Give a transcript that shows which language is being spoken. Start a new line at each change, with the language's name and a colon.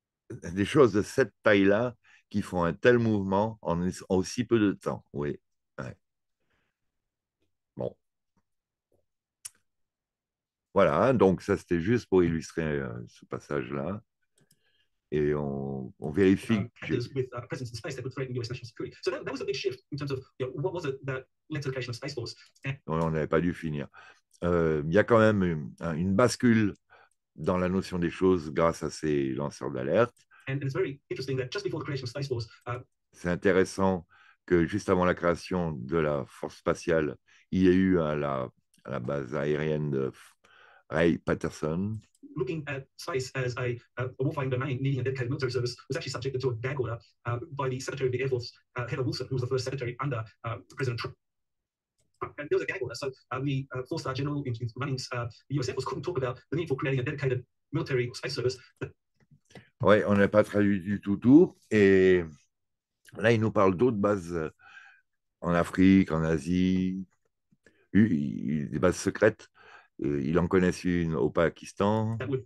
French: Des choses de cette taille-là qui font un tel mouvement en aussi peu de temps. Oui. Voilà, donc ça c'était juste pour illustrer ce passage-là. Et on vérifie que j'ai.
English: Actors with a presence in space that would threaten US national security. So that was a big shift in terms of what was it that led to the creation of Space Force?
French: On n'avait pas dû finir. Il y a quand même une bascule dans la notion des choses grâce à ces lanceurs d'alerte.
English: And it's very interesting that just before the creation of Space Force,
French: C'est intéressant que juste avant la création de la force spatiale, il y a eu à la base aérienne de. Ray Patterson.
English: looking at space as a warfighting domain needing a dedicated military service was actually subjected to a gag order by the Secretary of the Air Force, Heather Wilson, who was the first Secretary under President Trump. And there was a gag order, so the four-star general in running the US Air Force couldn't talk about the need for creating a dedicated military space service.
French: Oui, on n'a pas traduit du tout tout. Et là, il nous parle d'autres bases en Afrique, en Asie, des bases secrètes. Il en connaît une au Pakistan.